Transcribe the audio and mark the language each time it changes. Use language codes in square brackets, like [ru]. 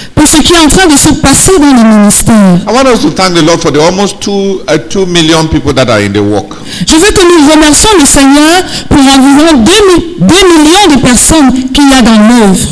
[fr] Pour ce qui est en train de se passer dans le ministère. [en] I want us to thank the Lord for the almost 2 million people that are in the work. [fr] Je veux que nous remercions le Seigneur pour environ 2 millions de personnes qu'il y a dans l'œuvre.